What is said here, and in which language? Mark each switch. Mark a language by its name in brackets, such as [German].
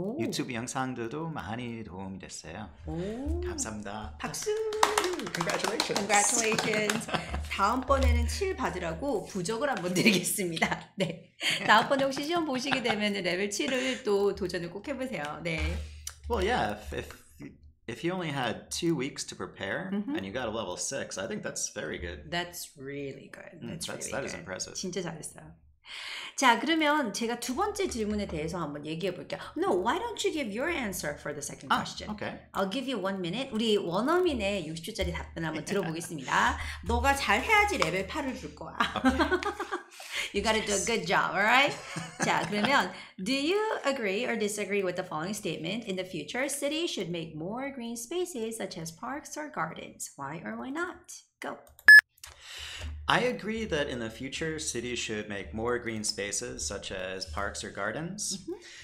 [Korean] 유튜브 영상들도 많이 도움이 됐어요. 감사합니다. 박수. [English] Congratulations. [Korean] 다음번에는 7 받으라고 부적을 한번 드리겠습니다. 네. 다음번에 혹시 시험 보시게 되면 레벨 7을 또 도전을 꼭 해보세요. 네. [English] Well, yeah. If you only had 2 weeks to prepare and you got a level 6, I think that's very good. That's really good. That's really good. That is impressive. [Korean] 진짜 잘했어요. 자, 그러면 제가 두 번째 질문에 대해서 한번 얘기해 볼게요. [English] No, why don't you give your answer for the second question? Okay. I'll give you 1 minute. [Korean] 우리 원어민의 60초짜리 답변 한번 들어보겠습니다. 너가 잘 해야지 레벨 8을 줄 거야. [English] Okay. You gotta do a good job, alright? [Korean] 자, 그러면 [English] Do you agree or disagree with the following statement? In the future, cities should make more green spaces such as parks or gardens. Why or why not? Go. I agree that in the future, cities should make more green spaces, such as parks or gardens. Mm-hmm.